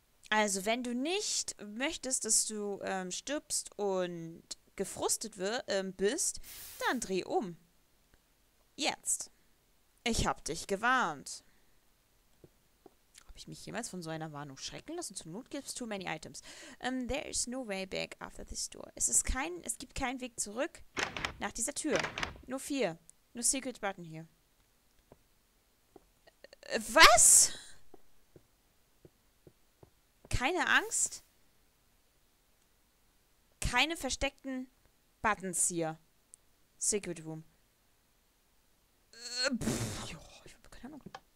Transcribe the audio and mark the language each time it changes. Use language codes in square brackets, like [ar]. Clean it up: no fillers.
[de] Also, wenn du nicht möchtest, dass du stirbst und gefrustet bist, dann dreh um. Jetzt. Ich hab dich gewarnt. Hab ich mich jemals von so einer Warnung schrecken lassen? Zur Not gibt's [en] too many items. There is no way back after this door. [de] Es gibt keinen Weg zurück nach dieser Tür. Nur vier. Nur Secret Button hier. Was? Keine Angst. Keine versteckten Buttons hier. Secret Room. Pff, jo, ich habe keine Ahnung.